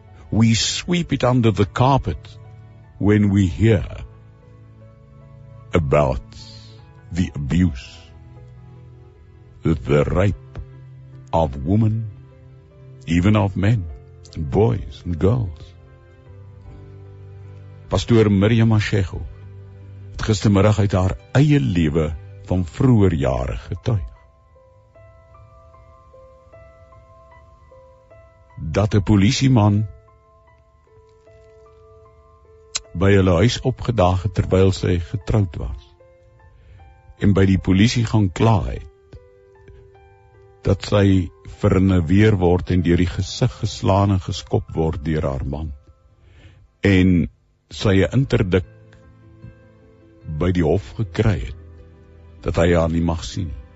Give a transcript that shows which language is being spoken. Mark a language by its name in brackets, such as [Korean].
[English] We sweep it under the carpet when we hear about the abuse, the rape of women, even of men, and boys and girls. [Afrikaans] Pastor Miriam Mashego, gistermiddag uit haar eie lewe van vroeër jare getuig. Dat 'n polisieman by hulle huis opgedaag het terwyl sy getroud was en by die polisie gaan kla het dat sy verneweer word en deur die gesig geslaan en geskop word deur haar man en sy 'n interdik by die hof gekry het, dat hy haar nie mag sien.